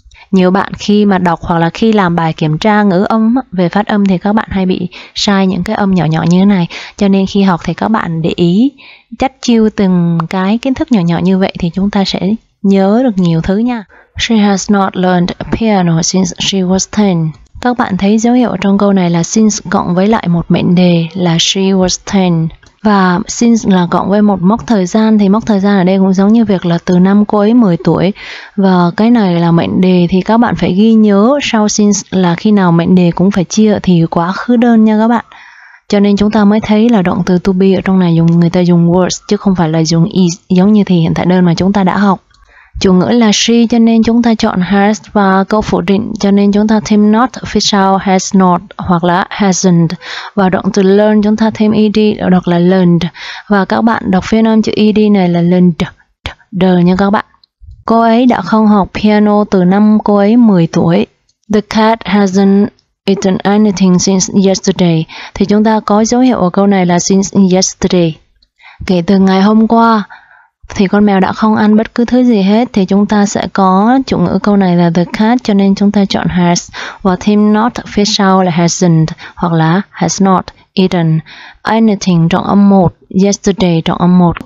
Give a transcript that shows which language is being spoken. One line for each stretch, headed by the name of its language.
Vietnamese: Nhiều bạn khi mà đọc hoặc là khi làm bài kiểm tra ngữ âm về phát âm thì các bạn hay bị sai những cái âm nhỏ nhỏ như thế này. Cho nên khi học thì các bạn để ý chắt chiu từng cái kiến thức nhỏ nhỏ như vậy thì chúng ta sẽ nhớ được nhiều thứ nha.
English: She has not learned piano since she was 10.
Vietnamese: Các bạn thấy dấu hiệu trong câu này là since cộng với lại một mệnh đề là
English: she was 10.
Vietnamese: Và since là cộng với một mốc thời gian thì mốc thời gian ở đây cũng giống như việc là từ năm cô ấy 10 tuổi. Và cái này là mệnh đề thì các bạn phải ghi nhớ sau since là khi nào mệnh đề cũng phải chia thì quá khứ đơn nha các bạn. Cho nên chúng ta mới thấy là động từ to be ở trong này dùng, người ta dùng was chứ không phải là dùng is giống như thì hiện tại đơn mà chúng ta đã học. Chủ ngữ là she cho nên chúng ta chọn has, và câu phủ định cho nên chúng ta thêm not phía sau
English: has not
Vietnamese: hoặc là hasn't, và động từ learn chúng ta thêm ed hoặc là learned, và các bạn đọc phiên âm chữ ed này là learned nha các bạn. Cô ấy đã không học piano từ năm cô ấy 10 tuổi.
English: The cat hasn't eaten anything since yesterday.
Vietnamese: Thì chúng ta có dấu hiệu ở câu này là
English: since yesterday,
Vietnamese: kể từ ngày hôm qua thì con mèo đã không ăn bất cứ thứ gì hết. Thì chúng ta sẽ có chủ ngữ câu này là
English: the cat,
Vietnamese: cho nên chúng ta chọn has, và thêm not phía sau là hasn't hoặc là
English: has not eaten anything
Vietnamese: trong âm 1, yesterday trong âm 1.